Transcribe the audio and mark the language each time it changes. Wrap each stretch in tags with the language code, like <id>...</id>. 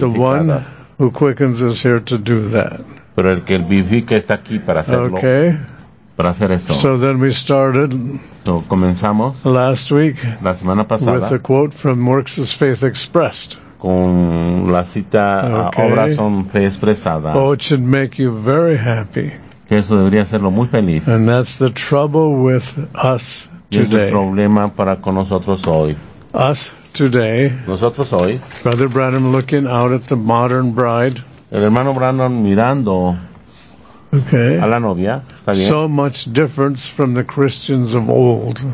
<en>But the one who quickens is here to do that.</en> <es>Pero el que vivifica está aquí para hacerlo.</es> <en>Okay.</en> <es>Para hacer esto.</es> <en>So then we started.</en> <es>So comenzamos.</es> <en>Last week.</en> <es>La semana pasada.</es> <en>With a quote from Works as Faith Expressed.</en> <es>Con la cita</es> <en>okay.</en> <es>Obras son fe expresada.</es> <en>Oh, it should make you very happy.</en> <es>Que eso debería hacerlo muy feliz.</es> <en>And that's the trouble with us today.</en> <es>Y es el problema para con nosotros hoy.</es> <en>Us today.</en> <es>Nosotros hoy.</es> <en>Brother Branham looking out at the modern bride.</en> <es>El hermano Branham mirando.</es> <en>Okay.</en> <es>A la novia, está bien.</es> <en>So much difference from the Christians of old.</en>